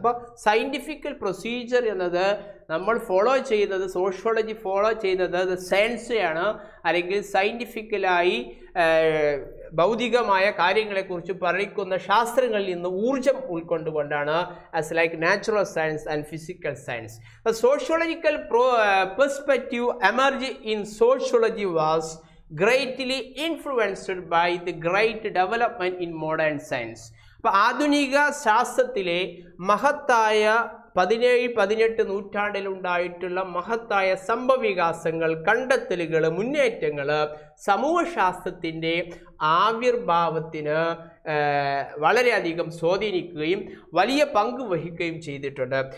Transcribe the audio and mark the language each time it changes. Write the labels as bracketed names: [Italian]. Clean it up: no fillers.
[Malayalam] അപ്പോൾ scientifical procedure എന്നത് നമ്മൾ ഫോളോ ചെയ്യുന്നത്, സോഷ്യോളജി ഫോളോ ചെയ്യുന്നത് സയൻസിയാണ് അല്ലെങ്കിൽ സയൻറ്റിഫിക്കലായി ഭൗതികമായ കാര്യങ്ങളെക്കുറിച്ച് പറയിക്കുന്ന ശാസ്ത്രങ്ങളിൽ നിന്ന് ഊർജം ഉൾക്കൊണ്ടുകൊണ്ടാണ്, [English] As like natural science and physical science. Sociological perspective emerge in sociology was greatly influenced by the great development in modern science. [Malayalam] അപ്പോൾ ആധുനിക ശാസ്ത്രത്തിലെ മഹത്തായ 17-18 നൂറ്റാണ്ടിൽ ഉണ്ടായിട്ടുള്ള മഹത്തായ സംഭവവികാസങ്ങൾ, കണ്ടെത്തലുകൾ, മുന്നേറ്റങ്ങൾ സമൂഹശാസ്ത്രത്തിൻ്റെ ആവിർഭാവത്തിന് വളരെയധികം സ്വാധീനിക്കുകയും വലിയ പങ്ക് വഹിക്കുകയും ചെയ്തിട്ടുണ്ട്.